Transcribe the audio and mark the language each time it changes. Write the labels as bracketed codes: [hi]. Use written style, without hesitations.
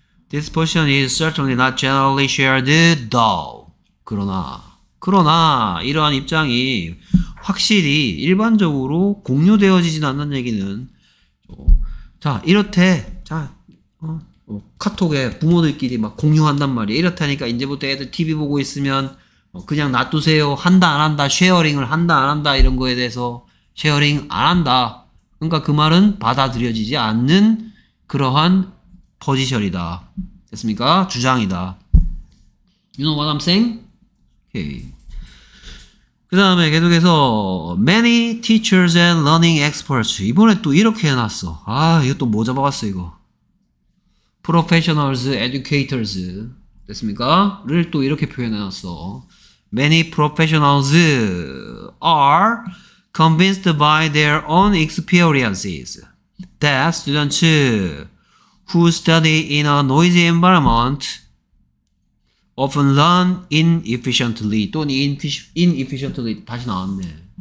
[en] This position is certainly not generally shared though. [ko] 그러나 이러한 입장이 확실히 일반적으로 공유되어지진 않는 얘기는 자 이렇대. 자 카톡에 부모들끼리 막 공유한단 말이야. 이렇다니까 이제부터 애들 TV 보고 있으면 그냥 놔두세요. 한다 안 한다. 쉐어링을 한다 안 한다. 이런 거에 대해서 쉐어링 안 한다. 그러니까 그 말은 받아들여지지 않는 그러한 포지션이다. 됐습니까? 주장이다. [en] You know what I'm saying? Okay. [ko] 그 다음에 계속해서 [en] Many teachers and learning experts. [ko] 이번에 또 이렇게 해놨어. 아 이거 또 뭐 잡아봤어 이거. professionals, educators 됐습니까? 를 또 이렇게 표현해놨어. [en] Many professionals are convinced by their own experiences that students who study in a noisy environment often learn inefficiently 또는 inefficiently [ko] 다시 나왔네.